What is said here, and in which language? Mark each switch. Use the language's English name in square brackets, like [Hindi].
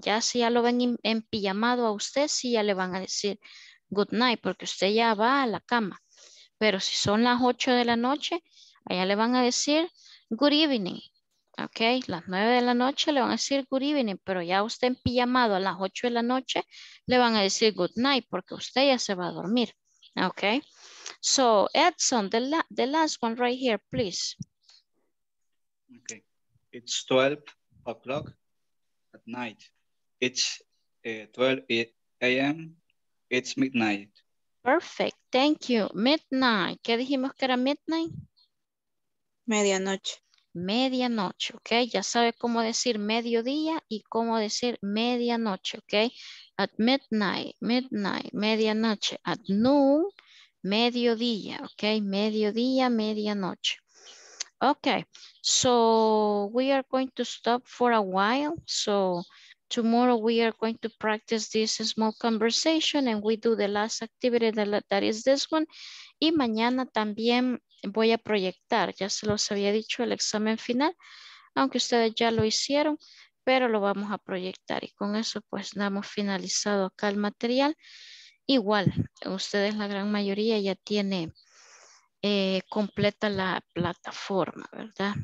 [Spanish] Ya si ya lo ven empijamado a usted, si ya le van a decir [English] good night, [Spanish] porque usted ya va a la cama. Pero si son las 8 de la noche, allá le van a decir [English] good evening. [Spanish] Ok, las 9 de la noche le van a decir [English] good evening, [Spanish] pero ya usted empijamado a las 8 de la noche, le van a decir [English] good night [Spanish] porque usted ya se va a dormir. [English] Ok, so Edson, the last one right here, please. Ok, it's 12 o'clock at night. It's 12 a.m. It's midnight. Perfect, thank you. Midnight, [Spanish] ¿qué dijimos que era [English] midnight? [Spanish] Medianoche. Medianoche, ok. Ya sabe cómo decir mediodía y cómo decir medianoche, ok. [English] At midnight, midnight, medianoche. At noon, mediodía, ok. Mediodía, medianoche. Ok, so we are going to stop for a while. So tomorrow we are going to practice this small conversation and we do the last activity that is this one. [Spanish] Y mañana también voy a proyectar, ya se los había dicho, el examen final, aunque ustedes ya lo hicieron, pero lo vamos a proyectar. Y con eso pues damos finalizado acá el material. Igual, ustedes la gran mayoría ya tiene completa la plataforma, ¿verdad?